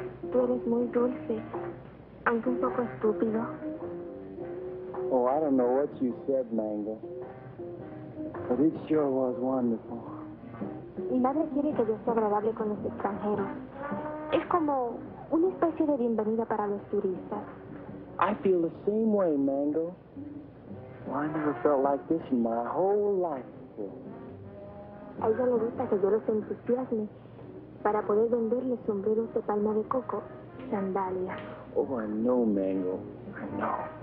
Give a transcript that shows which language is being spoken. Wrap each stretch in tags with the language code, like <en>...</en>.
<es>Tú eres muy dulce, aunque un poco estúpido.</es> <en>Oh, I don't know what you said, Mango. But it sure was wonderful.</en> <es>Mi madre quiere que yo sea agradable con los extranjeros. Es como una especie de bienvenida para los turistas.</es> <en>I feel the same way, Mango. Well, I never felt like this in my whole life.</en> <es>dice. A ella le gusta que yo los entusiasme para poder venderle sombreros de palma de coco y sandalias.</es> <en>Oh, I know, Mango. I know.</en>